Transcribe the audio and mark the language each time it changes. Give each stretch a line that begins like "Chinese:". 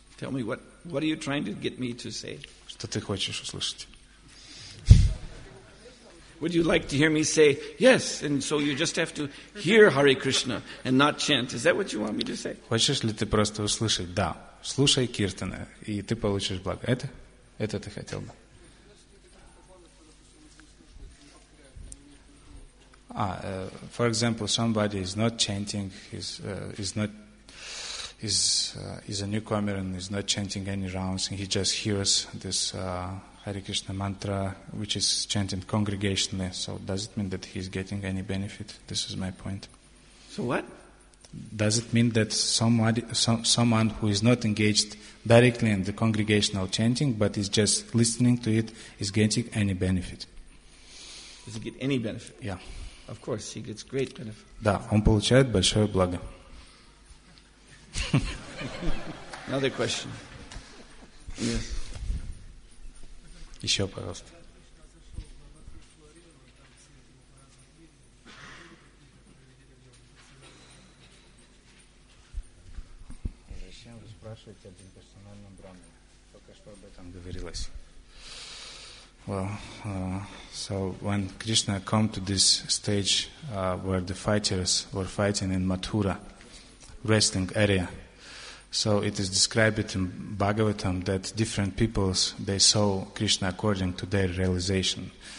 English: Tell me what are you trying to get me to say?
Russian: Что ты хочешь услышать?
English: Would you like to hear me say yes, and so you just have to hear Hare Krishna and not chant? Is that what you want me to say?
Russian: Хочешь ли ты просто услышать? Да. Слушай киртаны, и ты получишь благо. Это ты хотел бы.
English: For example, somebody is not chanting, is a newcomer and is not chanting any rounds, and he just hears this Hare Krishna mantra, which is chanted congregationally. So does it mean that he's getting any benefit? This is my point. So what? Does it mean that someone who is not engaged directly in the congregational chanting, but is just listening to it, is getting any benefit? Does he get any benefit? Yeah. Of course, he gets great benefit.
Russian: Да, он получает большое благо.
English: Another question. Yes.
Russian: Еще, пожалуйста. Зачем вы спрашиваете об имперсональном брахме? Только что об этом говорилось.
English: Well, so when Krishna come to this stage where the fighters were fighting in Mathura, wrestling area, so it is described in Bhagavatam that different peoples, they saw Krishna according to their realization.